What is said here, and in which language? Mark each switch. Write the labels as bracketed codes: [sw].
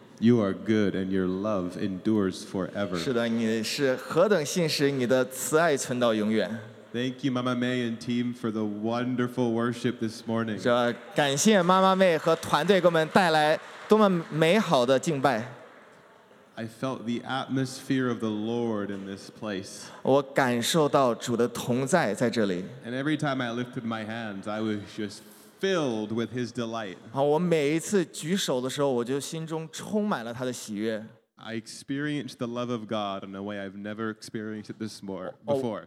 [en] You are good and your love endures forever. [zh] 是的, 你是何等信实, 你的慈爱存到永远. [en] Thank you, Mama May and team, for the wonderful worship this morning. [zh] 是的, 感谢妈妈妹和团队给我们带来多么美好的敬拜。 [en] I felt the atmosphere of the Lord in this place. [zh] 我感受到主的同在在这里。 [en] And every time I lifted my hands, I was just filled with His delight. [zh] 我每一次举手的时候，我就心中充满了他的喜悦。 [en] I experienced the love of God in a way I've never experienced it this more before.